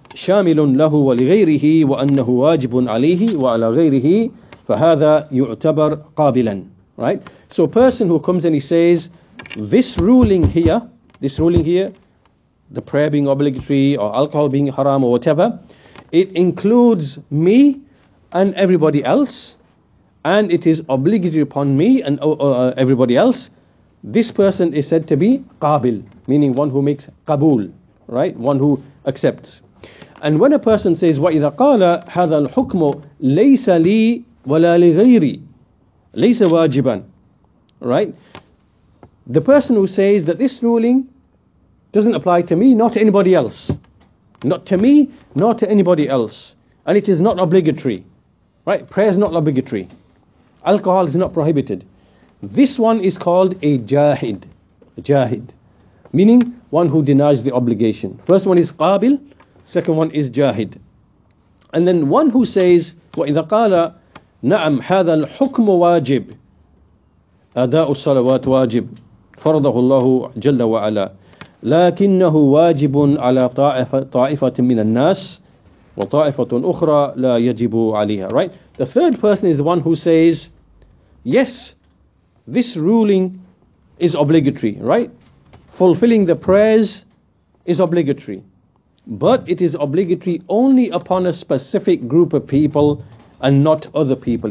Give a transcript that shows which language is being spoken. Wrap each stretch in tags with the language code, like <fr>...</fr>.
<ar>شامل له ولغيره وأنه واجب عليه وعلى غيره فهذا يعتبر قابلا.</ar> <en>Right? So a person who comes and he says, this ruling here, the prayer being obligatory or alcohol being haram or whatever, it includes me and everybody else, and it is obligatory upon me and everybody else. This person is said to be qabil, meaning one who makes qabul, right? One who accepts. And when a person says,</en> <ar>وَإِذَا قَالَ هَذَا الْحُكْمُ لَيْسَ لِي وَلَا لِغَيْرِي لَيْسَ وَاجِبًا,</ar> <en>right? The person who says that this ruling doesn't apply to me, not to anybody else. Not to me, nor to anybody else. And it is not obligatory, right? Prayer is not obligatory. Alcohol is not prohibited. This one is called a jahid. Jahid. Meaning, one who denies the obligation. First one is qabil. Second one is jahid. And then one who says,</en> <ar>وَإِذَا قَالَ نَعَمْ هَذَا الْحُكْمُ وَاجِبْ أَدَاءُ الصَّلَوَاتُ وَاجِبْ فَرَضَهُ اللَّهُ جَلَّ وَعَلَى لَكِنَّهُ وَاجِبٌ عَلَى طَائِفَةٍ مِّنَ النَّاسِ وَطَائِفَةٌ أُخْرَى لَا يَجِبُ عَلِيهَا.</ar> <en>Right? The third person is the one who says, yes, this ruling is obligatory, right? Fulfilling the prayers is obligatory. But it is obligatory only upon a specific group of people and not other people.</en>